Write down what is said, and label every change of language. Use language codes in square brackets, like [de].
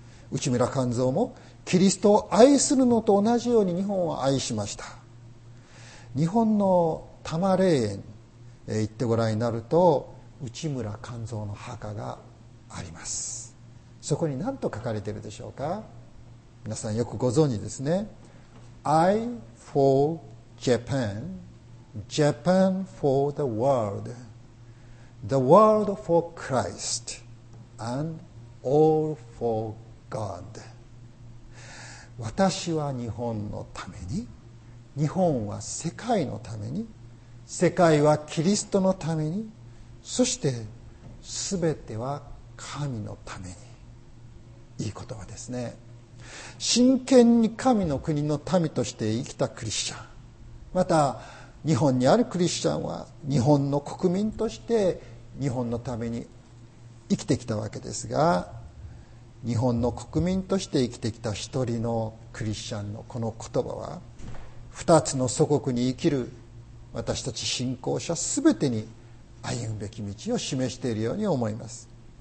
[ja] 内村鑑三もキリストを愛するのと同じように日本を愛しました。日本の多摩霊園へ行ってご覧になると内村鑑三の墓があります。そこに何と書かれているでしょうか。皆さんよくご存知ですね。 [en] I for Japan, Japan for the world, the world for Christ, and all for God. [ja] 私は日本のために、日本は世界のために、世界はキリストのために、そして全ては神のために。いい言葉ですね。真剣に神の国の民として生きたクリスチャン、また日本にあるクリスチャンは日本の国民として日本のために生きてきたわけですが、日本の国民として生きてきた一人のクリスチャンのこの言葉は、二つの祖国に生きる私たち信仰者すべてに歩むべき道を示しているように思います。